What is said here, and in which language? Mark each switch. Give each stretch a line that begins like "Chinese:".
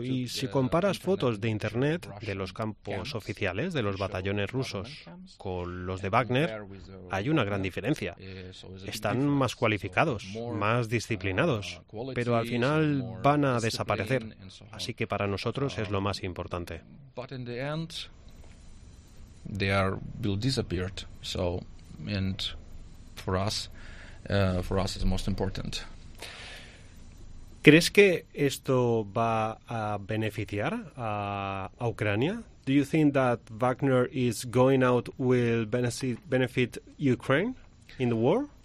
Spanish: Y si comparas fotos de internet de los campos oficiales de los batallones rusos con los de Wagner, hay una gran diferencia. Están más cualificados, más disciplinados, pero al final van a desaparecer. Así que para nosotros es lo más importante.
English: But in the end, they are will disappear. So, and for us is most important.
Spanish: ¿Crees que esto va a beneficiar a Ucrania?
English: Do you think that Wagner is going out will benefit Ukraine in the war?